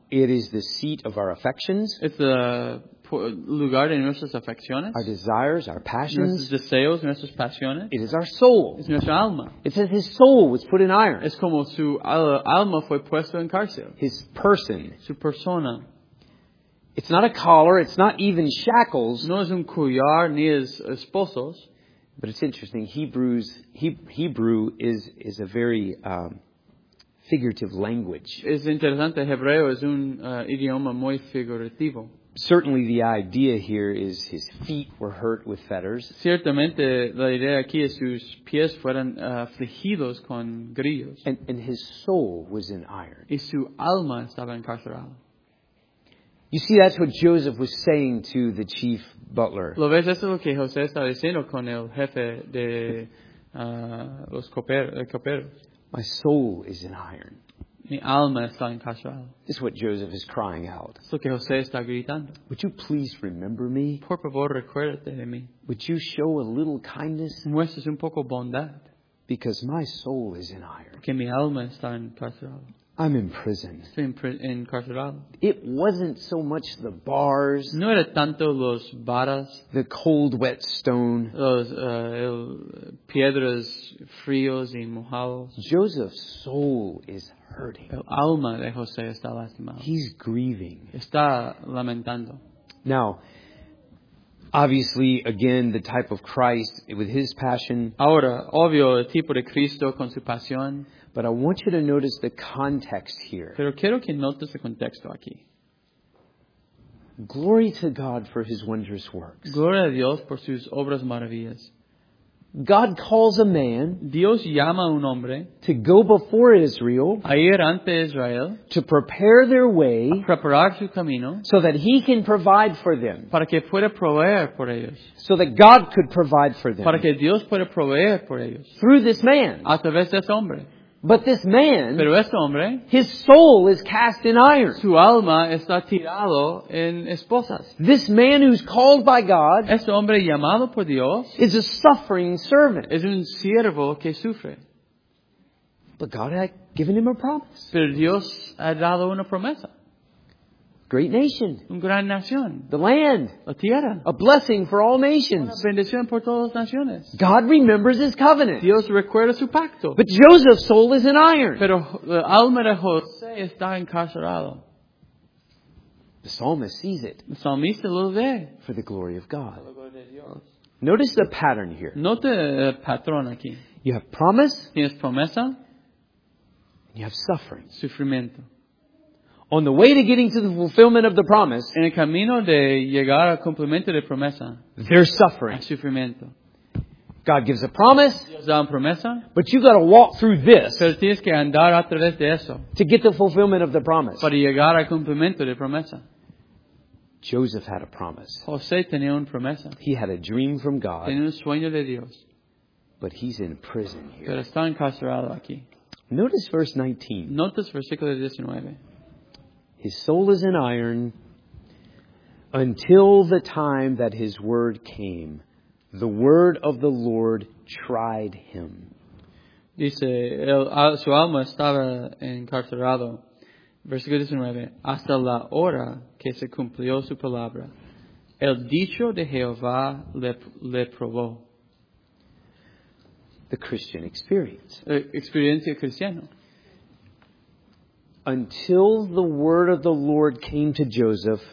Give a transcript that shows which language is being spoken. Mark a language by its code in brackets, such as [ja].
[en] It is the seat of our affections. It's the [es] lugar de nuestras afecciones. [en] Our desires, our passions. [es] Nuestros deseos, nuestras pasiones. [en] It is our soul. [es] Es nuestra alma. [en] It says his soul was put in iron. [es] Es como su alma fue puesto en cárcel. [en] His person. [es] Su persona. [en] It's not a collar. It's not even shackles. [es] No es un collar ni es esposos. [en] But it's interesting. Hebrew is a very figurative language. [es] Es interesante, hebreo es un idioma muy figurativo. [en] Certainly the idea here is his feet were hurt with fetters. [es] Ciertamente la idea aquí es sus pies fueron afligidos con grillos. [en] And his soul was in iron. [es] Y su alma estaba encarcelada. [en] You see, that's what Joseph was saying to the chief butler. [es] ¿Lo ves? Eso es lo que José estaba diciendo con el jefe de los coperos. [en] My soul is in iron. [es] Mi alma está encarcelada. [en] This is what Joseph is crying out. [es] Es lo que José está gritando. [en] Would you please remember me? [es] Por favor, recuérdate de mí. [en] Would you show a little kindness? [es] Muestras un poco bondad. [en] Because my soul is in iron. [es] Porque mi alma está encarcelada. [en] I'm in prison. [es] Estoy encarcelado. [en] It wasn't so much the bars. [es] No era tanto los varas. [en] The cold, wet stone. [es] Los piedras fríos y mojados. [en] Joseph's soul is hurting. [es] El alma de José está lastimado. [en] He's grieving. [es] Está lamentando. [en] Now, obviously, again, the type of Christ with his passion. [es] Ahora, obvio, el tipo de Cristo con su pasión. [en] But I want you to notice the context here. [es] Pero quiero que notes el contexto aquí. [en] Glory to God for his wondrous works. [es] Gloria a Dios por sus obras maravillas. [en] God calls a man. [es] Dios llama a un hombre. [en] To go before Israel. [es] A ir ante Israel. [en] To prepare their way. [es] A preparar su camino. [en] So that he can provide for them. [es] Para que pueda proveer por ellos. [en] So that God could provide for them. [es] Para que Dios pueda proveer por ellos. [en] Through this man. [es] A través de este hombre. [en] But this man, [es] pero este hombre, [en] his soul is cast in iron. [es] Su alma está tirado en esposas. [en] This man who's called by God, [es] este hombre llamado por Dios, [en] is a suffering servant. [es] Es un siervo que sufre. [en] But God had given him a promise. [es] Pero Dios ha dado una promesa. [en] Great nation. [es] Un gran nación. [en] The land. [es] La tierra. [en] A blessing for all nations. [es] Una bendición por todas las naciones. [en] God remembers his covenant. [es] Dios recuerda su pacto. [en] But Joseph's soul is in iron. [es] Pero el alma de José está encarcelado. [en] The psalmist sees it. [es] El psalmista lo ve. [en] For the glory of God. [es] Por la gloria de Dios. [en] Notice the pattern here. [es] Note el patrón aquí. [en] You have promise. [es] Tienes promesa. [en] And you have suffering. [es] Sufrimiento. [en] On the way to getting to the fulfillment of the promise, [es] en el camino de llegar al cumplimiento de promesa, [en] there's suffering. [es] Hay sufrimiento. [en] God gives a promise, [es] Dios da una promesa, [en] but you've got to walk through this, [es] pero tienes que andar a través de eso, [en] to get the fulfillment of the promise. [es] Para llegar al cumplimiento de promesa. [en] Joseph had a promise. [es] José tenía una promesa. [en] He had a dream from God. [es] Tenía un sueño de Dios. [en] But he's in prison here. [es] Pero está encarcelado aquí. [en] Notice verse 19. [es] Notas versículo 19. [en] His soul is in iron until the time that his word came. The word of the Lord tried him. [es] Dice, su alma estaba encarcelado. Versículo 19. Hasta la hora que se cumplió su palabra, el dicho de Jehová le probó. [en] The Christian experience. [es] Experiencia cristiana. [en] Until the word of the Lord came to Joseph.